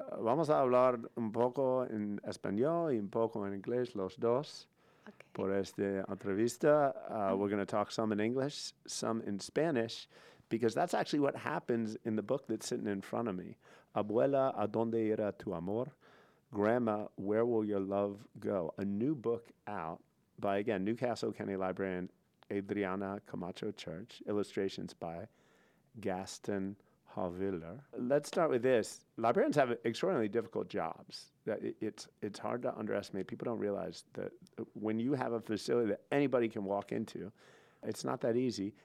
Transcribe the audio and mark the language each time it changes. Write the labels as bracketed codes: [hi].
[es] Vamos a hablar un poco en español y un poco en inglés, los dos. [en] Okay. [es] Por esta entrevista, [en] we're going to talk some in English, some in Spanish, because that's actually what happens in the book that's sitting in front of me. [es] Abuela, ¿a dónde irá tu amor? [en] Grandma, [es] ¿where will your love go? [en] A new book out by, again, Newcastle County librarian Adriana Camacho Church, illustrations by Gaston Haviller. Let's start with this. Librarians have extraordinarily difficult jobs. It's hard to underestimate. People don't realize that when you have a facility that anybody can walk into, it's not that easy.